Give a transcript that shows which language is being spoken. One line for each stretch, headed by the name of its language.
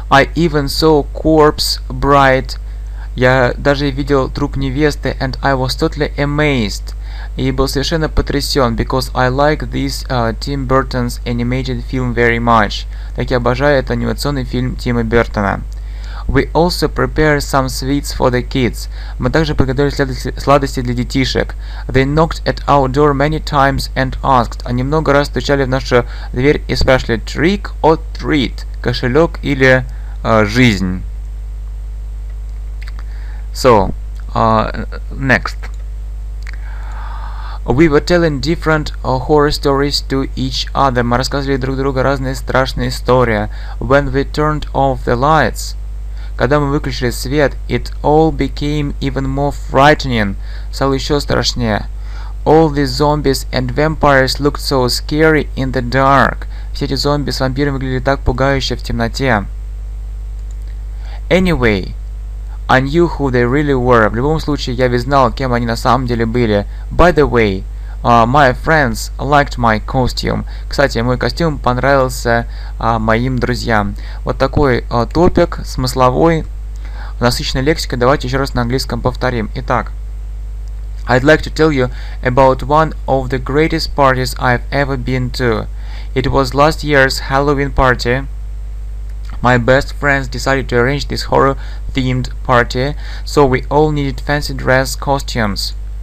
English: I even saw corpse bride.
Russian: Я даже видел труп невесты,
English: and I was totally amazed.
Russian: И был совершенно потрясен,
English: because I like this Tim Burton's animated film very much.
Russian: Так я обожаю этот анимационный фильм Тима Бертона.
English: We also prepared some sweets for the kids.
Russian: Мы также приготовили сладости для детишек.
English: They knocked at our door many times and asked.
Russian: Они много раз стучали в нашу дверь и спрашивали:
English: trick or treat?
Russian: Кошелек или жизнь?
English: So, next. We were telling different horror stories to each other.
Russian: Мы рассказывали друг другу разные страшные истории.
English: When we turned off the lights.
Russian: Когда мы выключили свет,
English: it all became even more frightening.
Russian: Стало еще страшнее.
English: All the zombies and vampires looked so scary in the dark.
Russian: Все эти зомби с вампирами выглядели так пугающе в темноте.
English: Anyway, I knew who they really were.
Russian: В любом случае, я ведь знал, кем они на самом деле были.
English: By the way, my friends liked my costume.
Russian: Кстати, мой костюм понравился моим друзьям. Вот такой топик, смысловой, насыщенной лексикой. Давайте еще раз на английском повторим. Итак.
English: I'd like to tell you about one of the greatest parties I've ever been to. It was last year's Halloween party. My best friends decided to arrange this horror-themed party, so we all needed fancy dress costumes.